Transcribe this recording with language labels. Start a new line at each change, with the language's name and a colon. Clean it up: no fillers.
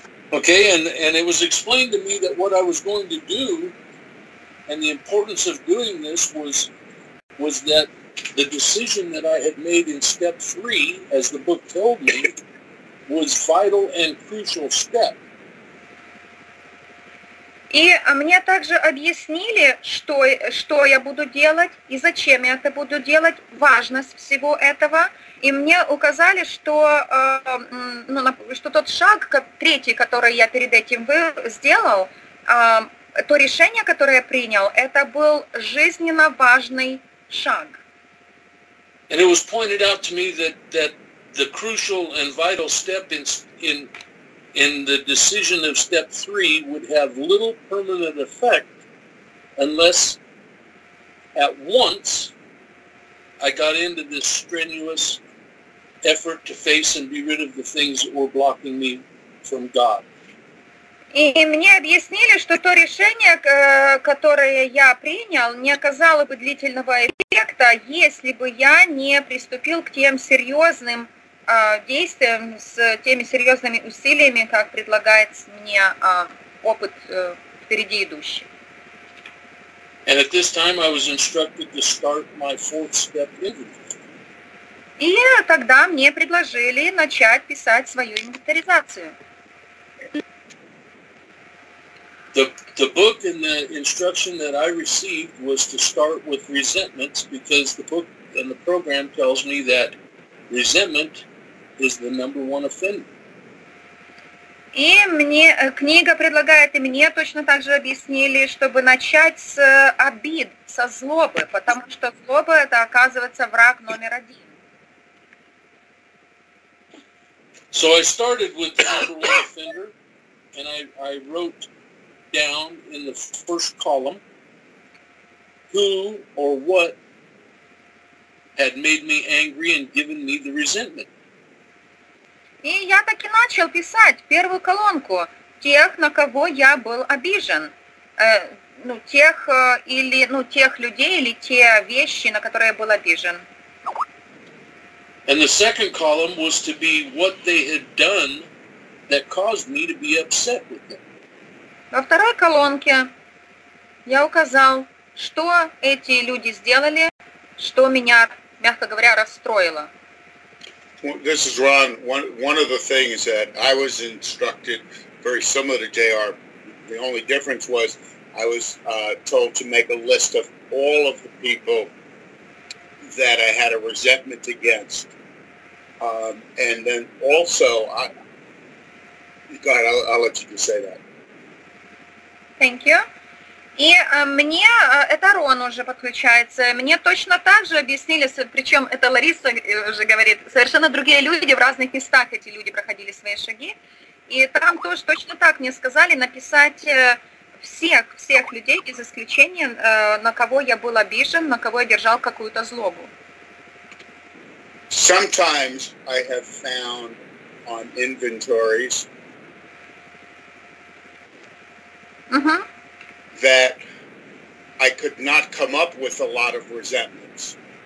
English: Okay, and it was explained to me that what I was going to do and the importance of doing this was that the decision that I had made in step three, as the book told me, was vital and crucial step.
Russian: И мне также объяснили, что я буду делать и зачем я это буду делать, важность всего этого. И мне указали, что тот шаг, третий, который я перед этим сделал, то решение, которое я принял, это был жизненно важный шаг.
English: And it was pointed out to me that the crucial and vital step in the decision of step three would have little permanent effect unless at once I got into this strenuous effort to face and be rid of the things that were blocking me from God.
Russian: И мне объяснили, что то решение, которое я принял, не оказало бы длительного эффекта, если бы я не приступил к тем серьезным действиям, с теми серьезными усилиями, как предлагает мне опыт впереди идущий.
English: And at this time I was instructed to start my fourth step inventory.
Russian: И тогда мне предложили начать писать свою инвентаризацию.
English: The book and the instruction that I received was to start with resentments, because the book and the program tells me that resentment is the number one offender.
Russian: И мне книга предлагает, и мне точно так же объяснили, чтобы начать с обид, со злобы, потому что злоба — это, оказывается, враг номер один.
English: So I started with the number one offender, and I wrote down in the first column who or what had made me angry and given me the resentment.
Russian: И я так и начал писать первую колонку тех, на кого я был обижен. Тех людей или те вещи, на которые я был обижен.
English: And the second column was to be what they had done that caused me to be upset with them.
Russian: Во второй колонке я указал, что эти люди сделали, что меня, мягко говоря, расстроило.
English: This is Ron. One of the things that I was instructed, very similar to JR, the only difference was I was told to make a list of all of the people that I had a resentment against. And then also, I'll let you say that. Thank you.
Russian: И мне, это Рон уже подключается, мне точно так же объяснили, причем это Лариса уже говорит, совершенно другие люди, в разных местах эти люди проходили свои шаги, и там тоже точно так мне сказали написать всех людей, без исключения, на кого я был обижен, на кого я держал какую-то злобу.
English: Sometimes I have found on inventories that I could not come up with a lot of resentments.